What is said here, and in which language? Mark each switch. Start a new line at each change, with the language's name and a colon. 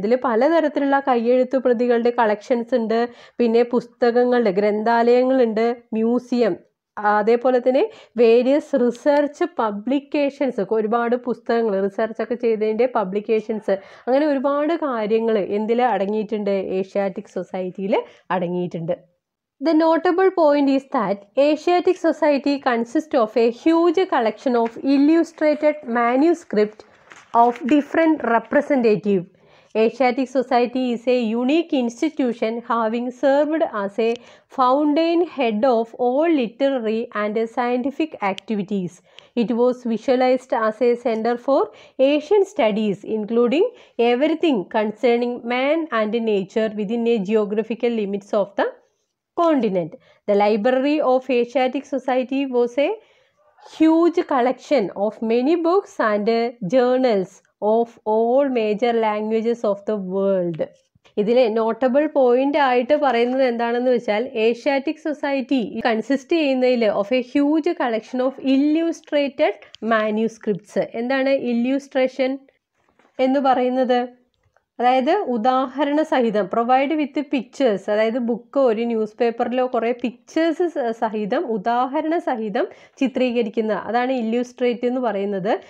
Malayalam: ഇതിൽ പലതരത്തിലുള്ള കയ്യെഴുത്ത് പ്രതികളുടെ കളക്ഷൻസ് ഉണ്ട്, പിന്നെ പുസ്തകങ്ങളുടെ ഗ്രന്ഥാലയങ്ങളുണ്ട്, മ്യൂസിയം, അതേപോലെ തന്നെ വേരിയസ് റിസർച്ച് പബ്ലിക്കേഷൻസ്, ഒരുപാട് പുസ്തകങ്ങൾ റിസർച്ചൊക്കെ ചെയ്തതിൻ്റെ പബ്ലിക്കേഷൻസ്, അങ്ങനെ ഒരുപാട് കാര്യങ്ങൾ എന്തിൽ അടങ്ങിയിട്ടുണ്ട്, ഏഷ്യാറ്റിക് സൊസൈറ്റിയിൽ അടങ്ങിയിട്ടുണ്ട്.
English: The notable point is that Asiatic Society consists of a huge collection of illustrated manuscript of different representative. Asiatic Society is a unique institution having served as a fountain head of all literary and scientific activities. It was visualized as a center for Asian studies, including everything concerning man and nature within a geographical limits of the continent. The Library of Asiatic Society was a huge collection of many books and journals of all major languages of the world.
Malayalam: ഇതിലെ notable point ആയിട്ട് പറയുന്നത് എന്താണെന്ന് വെച്ചാൽ, Asiatic society consist ചെയ്യുന്നതിൽ
English: Of a huge collection of illustrated manuscripts.
Malayalam: എന്താണ് ഇല്യൂസ്ട്രേഷൻ എന്ന് പറയുന്നത്? അതായത് ഉദാഹരണ സഹിതം,
English: provide with pictures,
Malayalam: അതായത് ബുക്ക് ഒരു ന്യൂസ് പേപ്പറിലോ കുറേ പിക്ചേഴ്സ് സഹിതം ഉദാഹരണ സഹിതം ചിത്രീകരിക്കുന്ന, അതാണ് ഇല്യൂസ്ട്രേറ്റ് എന്ന് പറയുന്നത്.